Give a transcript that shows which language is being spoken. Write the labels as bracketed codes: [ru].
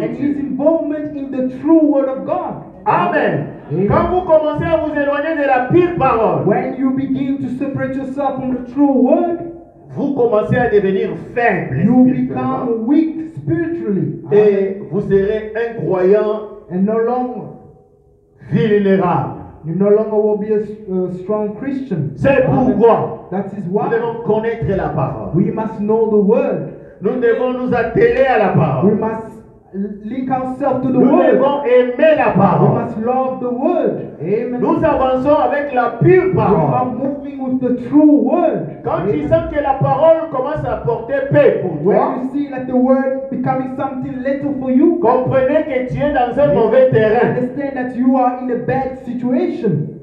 [en] and his involvement in the true word of God. Amen. Amen. [fr] Quand vous commencez à vous éloigner de la pure parole, [en] when you begin to separate yourself from the true word, [fr] vous commencez à devenir faible. [en] You become weak spiritually. [fr] Et vous serez un croyant [en] and no longer [fr] vulnérable. [en] You no longer will be a strong Christian. [fr] C'est pourquoi [en] that is why [fr] nous devons connaître la parole. [en] We must know the word. [fr] Nous devons nous atteler à la parole. [en] We must link ourselves to the [fr] nous [en] word. [fr] Nous devons aimer la parole. [en] We must love the word. [fr] Amen. Nous avançons avec la pure parole. [en] We are moving with the true word. [fr] Quand tu sens que la parole commence à porter paix pour toi, [en] when you see that the word becoming something little for you, [fr] comprenez que tu es dans un mauvais terrain. [en] Understand that you are in a bad situation.